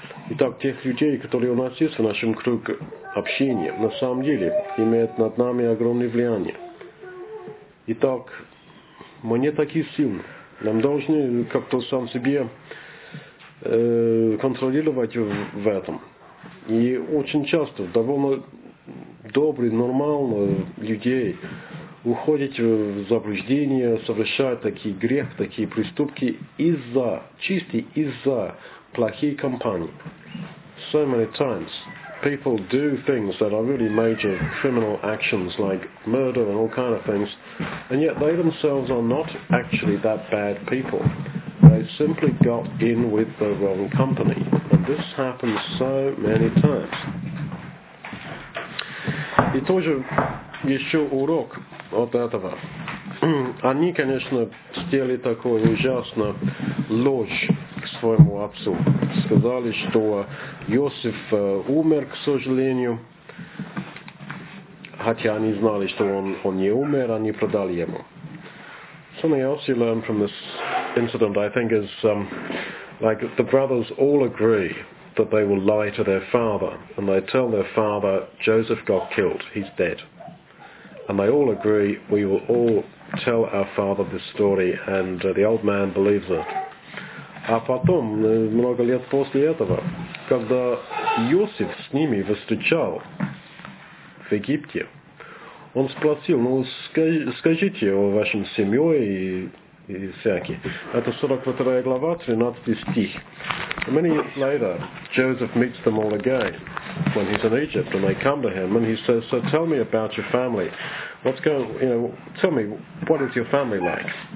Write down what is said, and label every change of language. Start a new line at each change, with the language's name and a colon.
Russian: Итак, тех людей, которые у нас есть в нашем кругу общения, на самом деле имеют над нами огромное влияние. Итак, мы не такие сильные. Нам должны как-то сам себе контролировать в этом. И очень часто довольно добрые, нормальные людей уходят в заблуждение, совершают такие грехи, такие преступки из-за плохие компании.
English: So many times people do things that are really major criminal actions, like murder and all kind of things, and yet they themselves are not actually that bad people. They simply got in with the wrong company, and this happens so many times.
Russian: И тоже еще урок от этого. Они, конечно, сделали такую ужасную ложь к своему отцу. Сказали, что Иосиф умер, к сожалению. Хотя они знали, что он не умер, они продали ему.
English: Something else you learn from this incident, I think, is like the brothers all agree that they will lie to their father, and they tell their father, Joseph got killed, he's dead. And they all agree, we will all tell our father this story, and the old man believes it.
Russian: А потом, много лет после этого, когда Иосиф с ними встречал в Египте, он спросил, ну скажите о вашем семье и всякие. Это 42 глава, 13 стих.
English: Many years later, Joseph meets them all again when he's in Egypt, and they come to him, and he says, so tell me about your family. What's going on? You know, tell me, what is your family like?